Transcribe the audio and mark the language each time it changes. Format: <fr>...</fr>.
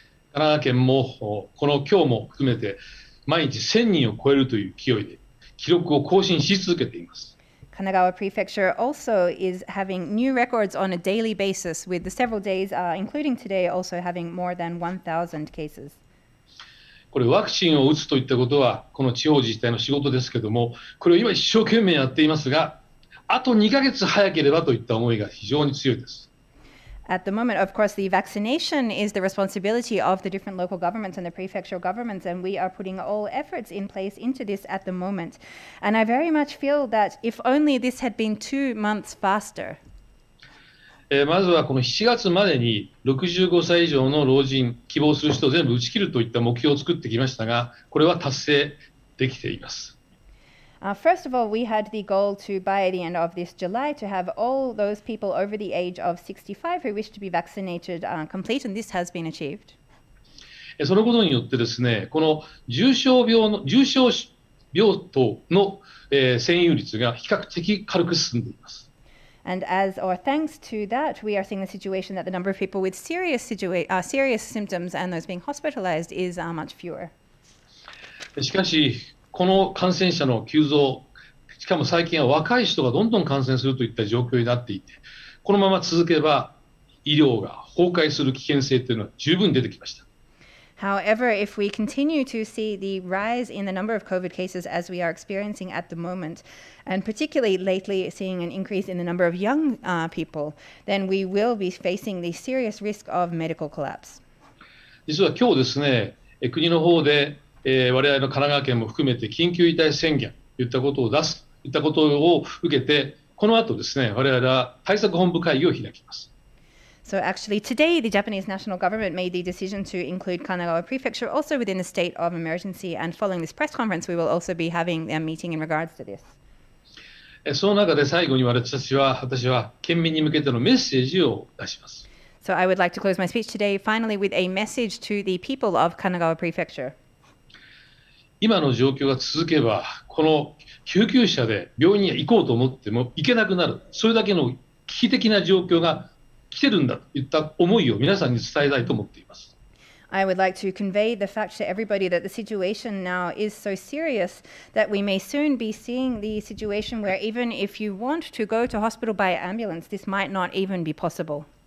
<ja>神奈川県もこの今日も含めて毎日1000人を超えるという勢いで記録を更新し続けています。</ja> <en>神奈川 prefecture also is having new records on a daily basis with the several days, including today, also having more than 1,000 cases.</en> <ja>これワクチンを打つといったことはこの地方自治体の仕事ですけども、これを今一生懸命やっていますが、あと2ヶ月早ければといった思いが非常に強いです。</ja> <en>At the moment, of course, the vaccination is the responsibility of the different local governments and the prefectural governments, and we are putting all efforts in place into this at the moment. And I very much feel that if only this had been 2 months faster.</en> <ja>まずはこの7月までに65歳以上の老人、希望する人を全部打ち切るといった目標を作ってきましたが、これは達成できています。</ja> <en>First of all, we had the goal to, by the end of this July, to have all those people over the age of 65 who wish to be vaccinated complete, and this has been achieved.</en> <ja>そのことによってですね、この重症病棟の、占有率が比較的軽く進んでいます。</ja> <en>And as or thanks to that, we are seeing the situation that the number of people with serious symptoms and those being hospitalized is much fewer.</en> <ja>しかし、この感染者の急増、しかも最近は若い人がどんどん感染するといった状況になっていて、このまま続けば医療が崩壊する危険性というのは十分出てきました。</ja> <en>However, if we continue to see the rise in the number of COVID cases as we are experiencing at the moment, and particularly lately seeing an increase in the number of young people, then we will be facing the serious risk of medical collapse.</en> <ja>実は今日ですね、国の方で我々の神奈川県も含めて緊急事態宣言といったことを出すといったことを受けて、この後ですね、我々は対策本部会議を開きます。</ja> <en>So actually today the Japanese national government made the decision to include Kanagawa prefecture also within the state of emergency, and following this press conference we will also be having a meeting in regards to this.</en> <ja>その中で最後に私は県民に向けてのメッセージを出します。</ja> <en>So I would like to close my speech today finally with a message to the people of Kanagawa prefecture.</en> <ja>今の状況が続けば、この救急車で病院に行こうと思っても行けなくなる、それだけの危機的な状況が来てるんだといった思いを皆さんに伝えたいと思っています。</ja> <en>I would like to convey the fact to everybody that the situation now is so serious that we may soon be seeing the situation where even if you want to go to hospital by ambulance, this might not even be possible.</en>